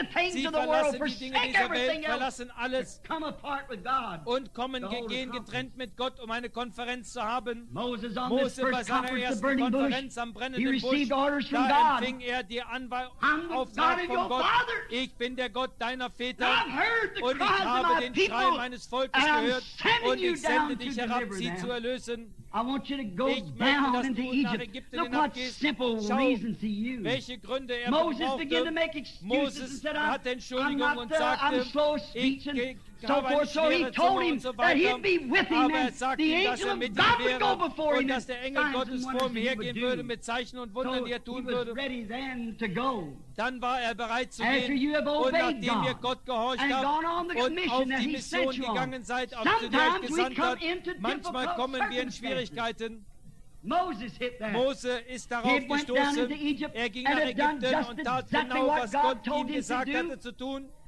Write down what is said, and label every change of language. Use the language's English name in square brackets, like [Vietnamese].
[German] Sie verlassen die Dinge dieser Welt, verlassen alles und kommen, gehen getrennt mit Gott, um eine Konferenz zu haben. Mose bei seiner ersten Konferenz am Brennenden brennenden Busch, da empfing er die Auftrag von Gott. Ich bin der Gott deiner Väter und ich habe den Schrei meines Volkes gehört und ich sende dich herab, sie zu erlösen. [English] I want you to go down into Egypt. Look what simple reasons he used. Moses began to make excuses and said, I'm slow of speech. So forth, so he told him that he'd be with him and the angel of God would go before him and signs and wonders he would do. So he was ready then to go. [German] Dann war er bereit zu gehen und nachdem ihr Gott gehorcht habt und auf die Mission gegangen seid, auf die er euch gesandt hat, manchmal kommen wir in Schwierigkeiten. Mose ist darauf gestoßen, er ging nach Ägypten und tat genau, was Gott ihm gesagt hatte zu tun.